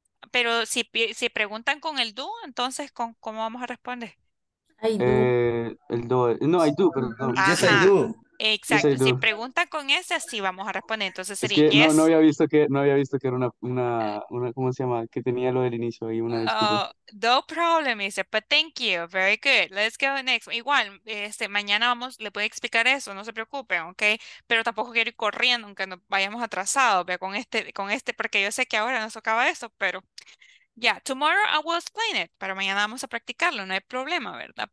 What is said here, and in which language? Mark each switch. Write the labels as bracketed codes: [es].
[es] Pero si preguntan con el do, entonces ¿con cómo vamos a responder? [en] I do. [es] El do. No, [en] I do, [es] perdón. [en] Ajá. Yes, I do. [es] Exacto. [en] Yes, I do. [es] Si preguntan con ese, sí vamos a responder. Entonces es sería que [en] yes. [es] No había visto que era una ¿cómo se llama? Que tenía lo del inicio ahí, una disculpa. [en] No problem, [es] dice, [en] but thank you, very good, let's go next. [es] Igual, mañana vamos, le puedo explicar eso, no se preocupen, ok, pero tampoco quiero ir corriendo, aunque nos vayamos atrasados, ¿ve? con este, porque yo sé que ahora nos tocaba eso, pero, [en] yeah, tomorrow I will explain it, [es] pero mañana vamos a practicarlo, no hay problema, ¿verdad?